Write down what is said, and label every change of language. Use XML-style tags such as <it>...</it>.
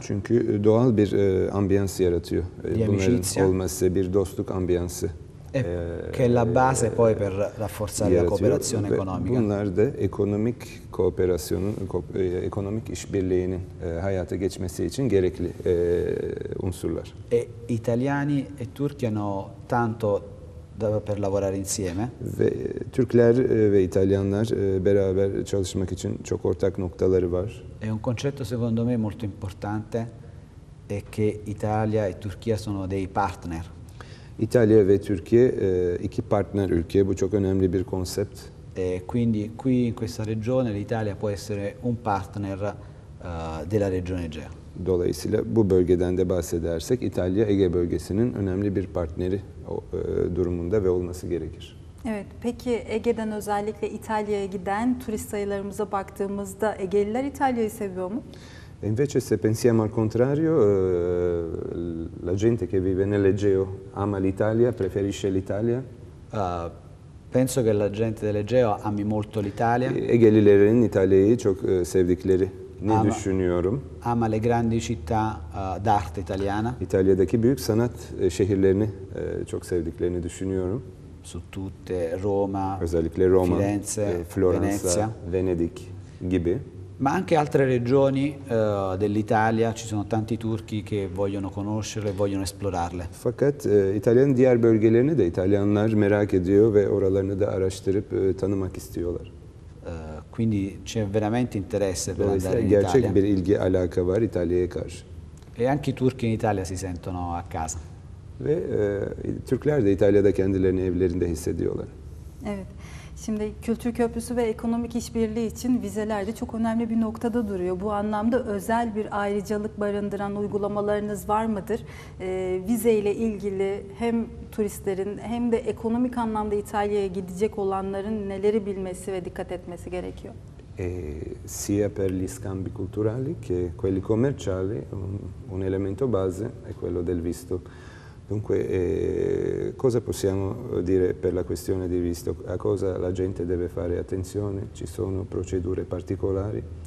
<tr>Çünkü doğal bir ambiyans yaratıyor.</tr> <it>Di amicizia.</it> <tr>Olması bir dostluk ambiyansı.</tr> <it>Che è la base poi per rafforzare la cooperazione economica.</it> <tr>Bunlar da ekonomik kooperasyonun, ekonomik işbirliğinin hayata geçmesi için gerekli unsurlar.</tr> <it>E italiani e turchi hanno tanto per lavorare insieme.</it> <tr>Ve Türkler ve İtalyanlar beraber çalışmak için çok ortak noktaları var.</tr> <it>È un concetto secondo me molto importante è che Italia e Turchia sono dei partner.</it> <tr>İtalya ve Türkiye iki partner ülke. Bu çok önemli bir konsept.</tr> <it>E quindi qui in questa regione l'Italia può essere un partner della regione Egea.</it> <tr>Dolayısıyla bu bölgeden de bahsedersek İtalya Ege bölgesinin önemli bir partneri durumunda ve olması gerekir. Evet, peki Ege'den özellikle İtalya'ya giden turist sayılarımıza baktığımızda Egeliler İtalya'yı seviyor mu?</tr> <it>Invece se pensiamo al contrario, la gente che vive nell'Egeo ama l'Italia, preferisce l'Italia? Penso che la gente dell'Egeo ami molto l'Italia.</it> <tr>Egelilerin İtalya'yı çok sevdikleri. Ne düşünüyorum?</tr> <it>Ama le grandi città d'arte italiana.</it> <tr>İtalya'daki büyük sanat şehirlerini çok sevdiklerini düşünüyorum.</tr> <it>Su tutte Roma,</it> <tr>özellikle Roma,</tr> <it>Firenze,</it> <tr>Florence,</tr> <it>Venezia,</it> <tr>Venedik gibi.</tr> <it>Ma anche altre regioni dell'Italia, ci sono tanti turchi che vogliono conoscerle, vogliono esplorarle.</it> <tr>Fakat İtalya'nın diğer bölgelerini de İtalyanlar merak ediyor ve oralarını da araştırıp tanımak istiyorlar.</tr> <it>Quindi c'è veramente interesse per</it> <tr>Dolayısıyla</tr> <it>andare in</it> <tr>gerçek</tr> <it>Italia.</it> <tr>Bir ilgi alaka var İtalya'ya karşı.</tr> <it>E anche i turchi in Italia si sentono a casa.</it> <tr>Ve Türkler de İtalya'da kendilerini evlerinde hissediyorlar. Evet. Şimdi kültür köprüsü ve ekonomik işbirliği için vizeler de çok önemli bir noktada duruyor. Bu anlamda özel bir ayrıcalık barındıran uygulamalarınız var mıdır? Vize ile ilgili hem turistlerin hem de ekonomik anlamda İtalya'ya gidecek olanların neleri bilmesi ve dikkat etmesi gerekiyor?</tr> <it>Sia per gli scambi culturali che quelli commerciali, un elemento base è quello del visto. Dunque, cosa possiamo dire per la questione di visto? A cosa la gente deve fare attenzione? Ci sono procedure particolari?</it>